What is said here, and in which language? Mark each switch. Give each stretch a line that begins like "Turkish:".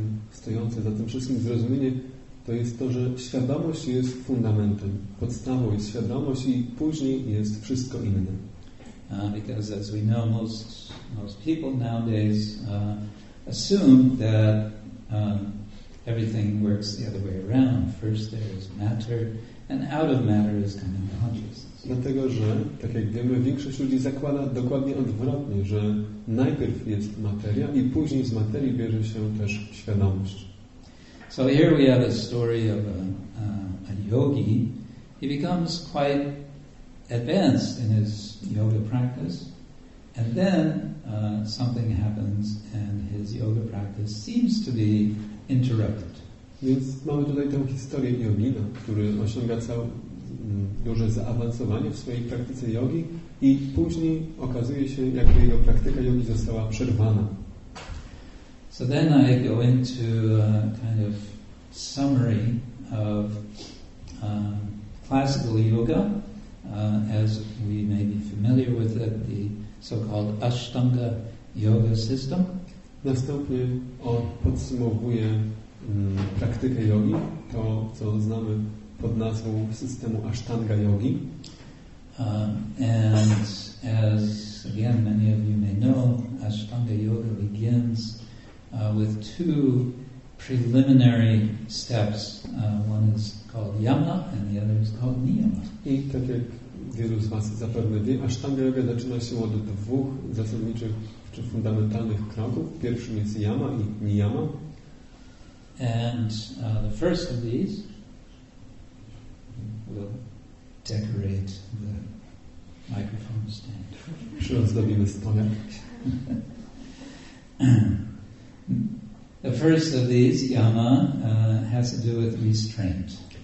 Polish: Stojące za tym wszystkim zrozumienie to jest to, że świadomość jest fundamentem, podstawą jest świadomość i później jest wszystko inne.
English: Because as we know, most people nowadays assume that everything works the other way around. First there is matter, and out of matter is coming consciousness.
Polish: Dlatego, że, tak jak wiemy, większość ludzi zakłada dokładnie odwrotnie, że najpierw jest materia i później z materii bierze się też świadomość.
English: So here we have a story of a yogi. He becomes quite advanced in his yoga practice, and then something happens and his yoga practice seems to be interrupted.
Polish: Więc mamy tutaj tę historię jogina, który osiąga cały duże zaawansowanie w swojej praktyce jogi i później okazuje się, jakby jego praktyka jogi została przerwana.
English: So then I go into a kind of summary of classical yoga, as we may be familiar with it, the so-called Ashtanga yoga system.
Polish: Następnie on podsumowuje praktykę jogi, to co znamy pod nazwą systemu Ashtanga Yogi.
English: And as again many of you may know, Ashtanga Yoga begins with two preliminary steps. One is called Yama and the other is called Niyama.
Polish: I tak jak wielu z Was zapewne wie, Ashtanga Yoga zaczyna się od dwóch zasadniczych czy fundamentalnych kroków. Pierwszym jest Yama i Niyama.
English: And the first of these will decorate the microphone stand.
Polish: Przyozdobimy stolik.
English: The first of these, yama, has to do with restraint.